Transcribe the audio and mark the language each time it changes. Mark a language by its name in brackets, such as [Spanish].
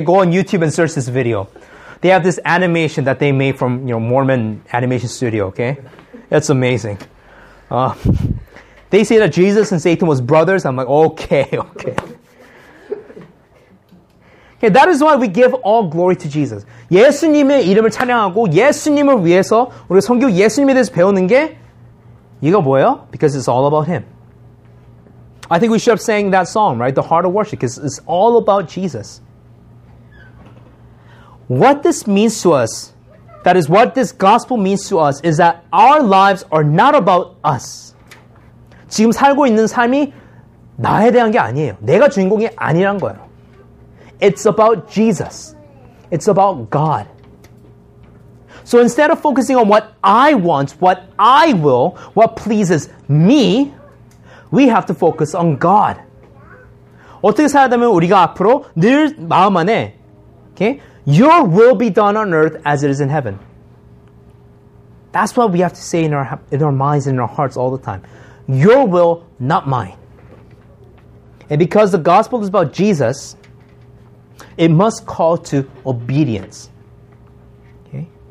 [English] Go on YouTube and search this video. They have this animation that they made from, you know, Mormon animation studio, okay? That's amazing. They say that Jesus and Satan was brothers. I'm like, okay, okay. Okay, that is why we give all glory to Jesus. [Korean] 예수님의 이름을 찬양하고 예수님을 위해서 우리 성경 예수님에 대해서 배우는 게 이거 뭐예요? [English] Because it's all about him. I think we should have sang that song, right? The heart of worship, because it's all about Jesus. What this means to us, that is what this gospel means to us, is that our lives are not about us. [Korean] 지금 살고 있는 삶이 나에 대한 게 아니에요. 내가 주인공이 아니란 거예요. [English] It's about Jesus. It's about God. So instead of focusing on what I want, what I will, what pleases me, we have to focus on God. [Korean] 어떻게 살아야 되면 우리가 앞으로 늘 마음 안에, okay? [English] Your will be done on earth as it is in heaven. That's what we have to say in our minds and in our hearts all the time. Your will, not mine. And because the gospel is about Jesus, it must call to obedience. Okay?